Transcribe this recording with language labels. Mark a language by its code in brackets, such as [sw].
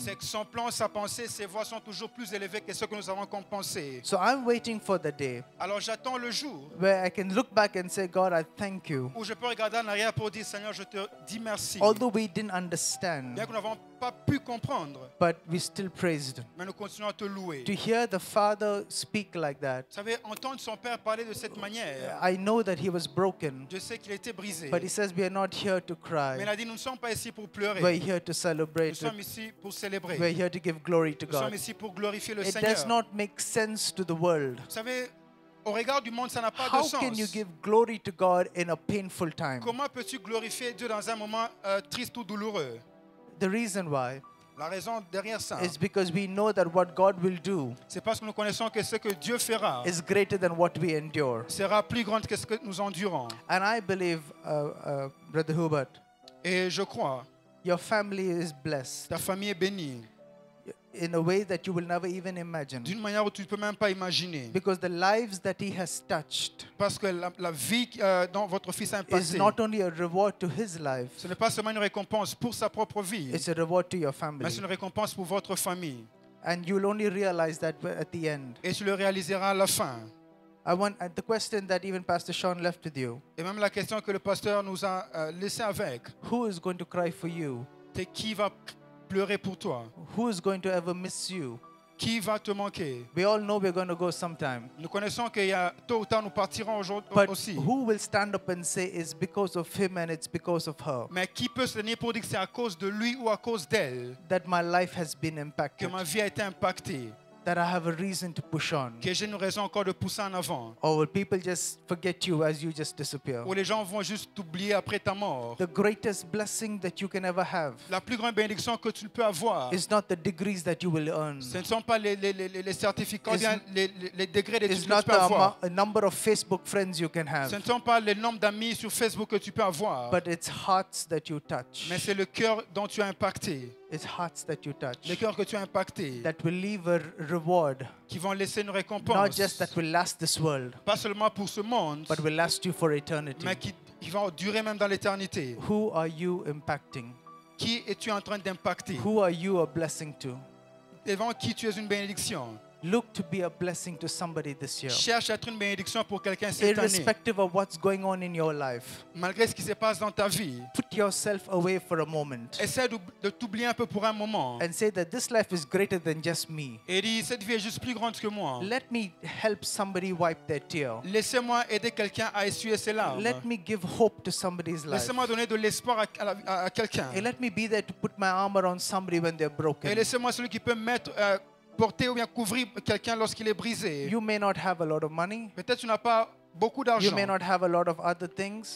[fr] C'est que son plan, sa pensée, ses voies sont toujours plus élevées que ce que nous avons pensé. [en] So I'm waiting for the day. [fr] Alors j'attends le jour [en] where I can look back and say, God, I thank you. [fr] Où je peux regarder en arrière pour dire, Seigneur, je te dis merci. [en] Although we didn't understand. [fr] Bien que nous n'avons pas pu comprendre. [en] But we still praised. [fr] Mais nous continuons à te louer. [en] To hear the Father speak like that. [fr] Vous savez, entendre son père parler de cette manière. [en] I know that he was broken. [fr] Je sais qu'il était brisé. [en] But he says we are not here to cry. [fr] Mais il a dit, nous ne sommes pas ici pour pleurer. [en] We are here to celebrate. [fr] Nous sommes ici pour célébrer. [en] We are here to give glory to God. [fr] Nous sommes ici pour glorifier le Seigneur. [en] It does not make sense to the world. [fr] Vous savez, au regard du monde, ça n'a pas [en] How [fr] de sens. [en] Can you give glory to God in a painful time? [fr] Comment peux-tu glorifier Dieu dans un moment triste ou douloureux? [en] The reason why. [fr] La raison derrière ça. [en] Is because we know that what God will do. [fr] C'est parce que nous connaissons que ce que Dieu fera. [en] Is greater than what we endure. [fr] Sera plus grand que ce que nous endurons. [en] And I believe, Brother Hubert. [fr] Et je crois. [en] Your family is blessed. [fr] Ta famille est bénie. [en] In a way that you will never even imagine. [fr] D'une manière où tu ne peux même pas imaginer. [en] Because the lives that he has touched. [fr] Parce que la vie dont votre fils a impacté. [en] Is not only a reward to his life. [fr] Ce n'est pas seulement une récompense pour sa propre vie. [en] It's a reward to your family. [fr] Mais c'est une récompense pour votre famille. [en] And you'll only realize that at the end. [fr] Et tu le réaliseras à la fin. [en] I want the question that even Pastor Sean left with you. [fr] Et même la question que le pasteur nous a laissé avec. [en] Who is going to cry for you? [fr] T'es qui va pleurer pour toi? [en] Who is going to ever miss you? [fr] qui va te manquer. [en] We all know we're going to go sometime. [fr] Nous connaissons qu'il y a tôt ou tard nous partirons aujourd'hui [en] but [fr] aussi. [en] Who will stand up and say it's because of him and it's because of her? [fr] Mais qui peut se tenir pour dire que c'est à cause de lui ou à cause d'elle? [en] That my life has been impacted. [fr] Que ma vie a été impactée. [en] That I have a reason to push on. [fr] Que j'ai une raison encore de pousser en avant. [en] Or will people just forget you as you just disappear? [fr] Ou les gens vont juste t'oublier après ta mort. [en] The greatest blessing that you can ever have. [fr] La plus grande bénédiction que tu peux avoir. [en] Is not the degrees that you will earn. [fr] Ce ne sont pas les certificats, bien les degrés que tu peux avoir. [en] It's not the number of Facebook friends you can have. [fr] Ce ne sont pas le nombre d'amis sur Facebook que tu peux avoir. [en] But it's hearts that you touch. [fr] Mais c'est le cœur dont tu as impacté. [en] It's hearts that you touch. [fr] Les cœurs que tu as impacté. [en] That will leave a reward. [fr] Qui vont laisser une récompense. [en] Not just that will last this world. [fr] Pas seulement pour ce monde. [en] But will last you for eternity. [fr] Mais qui vont durer même dans l'éternité. [en] Who are you impacting? [fr] Qui es-tu en train d'impacter? [en] Who are you a blessing to? [fr] Devant qui tu es une bénédiction? [en] Look to be a blessing to somebody this year. [fr] Cherche à être une bénédiction pour quelqu'un cette [en] irrespective Irrespective of what's going on in your life. [fr] Malgré ce qui se passe dans ta vie. [en] Put yourself away for a moment. [fr] Essaie de t'oublier un peu pour un moment. [en] And say that this life is greater than just me. [fr] Et dis cette vie est juste plus grande que moi. [en] Let me help somebody wipe their tear. [fr] Laissez-moi aider quelqu'un à essuyer ses larmes. [en] Let me give hope to somebody's life. [fr] Laissez-moi donner de l'espoir à quelqu'un. [en] And let me be there to put my arm around somebody when they're broken. [fr] Et laissez-moi celui qui peut mettre porter ou bien couvrir quelqu'un lorsqu'il est brisé. [en] You may not have a lot of money. [fr] Peut-être tu n'as pas beaucoup d'argent. [en] You may not have a lot of other things.